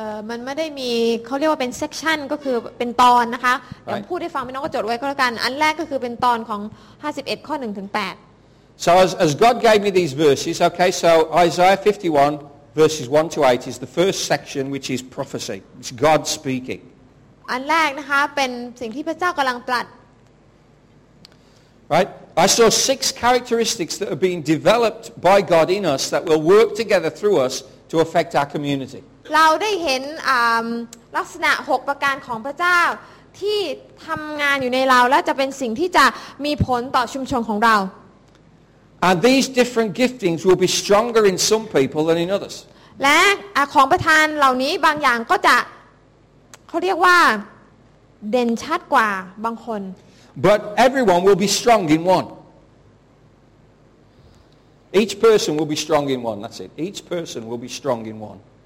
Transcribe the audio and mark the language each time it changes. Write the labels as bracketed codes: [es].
[th] มันไม่ได้มีเขาเรียกว่าเป็น section ก็คือเป็นตอนนะคะเดี๋ยวพูดให้ฟังพี่น้องก็จดไว้ก็แล้วกันอันแรกก็คือเป็นตอนของ51ข้อ1ถึง8 [en] So as God gave me these verses, okay, so Isaiah 51 verses 1 to 8 is the first section which is prophecy. It's God speaking. [th] อันแรกนะคะเป็นสิ่งที่พระเจ้ากำลังตรัส [en] Right I saw six characteristics that are being developed by God in us that will work together through us to affect our community [th] เราได้เห็นลักษณะ6ประการของพระเจ้าที่ทำงานอยู่ในเราและจะเป็นสิ่งที่จะมีผลต่อชุมชนของเรา [en] And these different giftings will be stronger in some people than in others [th] และของประทานเหล่านี้บางอย่างก็จะเขาเรียกว่าเด่นชัดกว่าบางคน [en] But everyone will be strong in one. Each person will be strong in one. That's it. Each person will be strong in one.